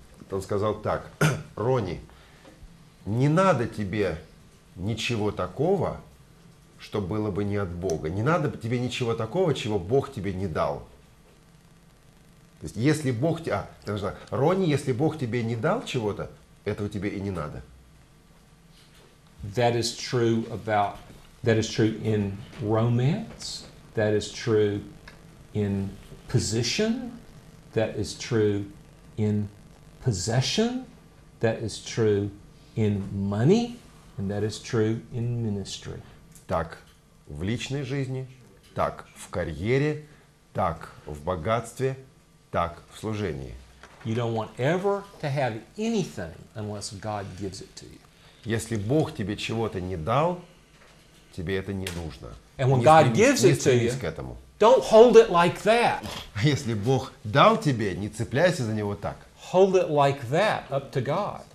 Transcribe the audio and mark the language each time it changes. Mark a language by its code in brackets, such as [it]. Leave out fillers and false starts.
[ru] Он сказал так: Ронни, не надо тебе ничего такого, что было бы не от Бога. Не надо тебе ничего такого, чего Бог тебе не дал. То есть, если Бог тебе... Ронни, если Бог тебе не дал чего-то, этого тебе и не надо. [en] That is true about... That is true in romance, that is true in position, that is true in possession, that is true in money, and that is true in ministry. [ru] Так в личной жизни, так в карьере, так в богатстве, так в служении. [en] You don't want ever to have anything unless God gives it to you. [ru] Если Бог тебе чего-то не дал, тебе это не нужно. [en] And when God gives it to you, don't hold it like that. [ru] Если Бог дал тебе, не цепляйся за него так. [en] Hold it like that up to God.